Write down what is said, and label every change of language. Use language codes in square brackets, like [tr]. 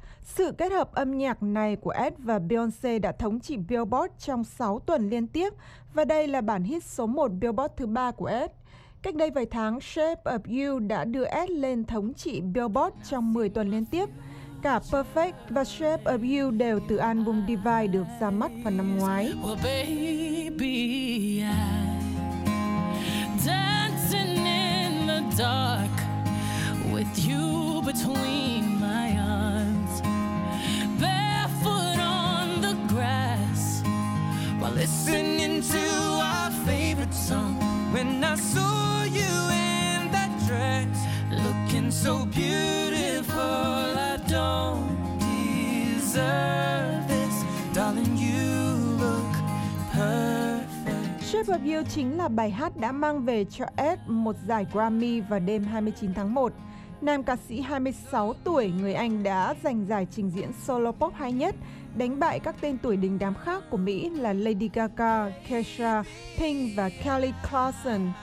[vi] Sự kết hợp âm nhạc này của Ed và Beyoncé đã thống trị Billboard trong 6 tuần liên tiếp và đây là bản hit số 1 Billboard thứ 3 của Ed. Cách đây vài tháng, Shape of You đã đưa Ed lên thống trị Billboard trong 10 tuần liên tiếp. Cả Perfect và Shape of You đều từ album Divide được ra mắt vào năm ngoái. [en] Well, baby, dancing in the dark with you between my arms, barefoot on the grass while listening to our favorite song. When I saw you in that dress, looking so beautiful, I don't deserve this, darling, you look perfect. [vi] Shape of You chính là bài hát đã mang về cho Ed một giải Grammy vào đêm 29 tháng 1. Nam ca sĩ 26 tuổi, người Anh đã giành giải trình diễn solo pop hay nhất, đánh bại các tên tuổi đình đám khác của Mỹ là Lady Gaga, Kesha, Pink và Kelly Clarkson.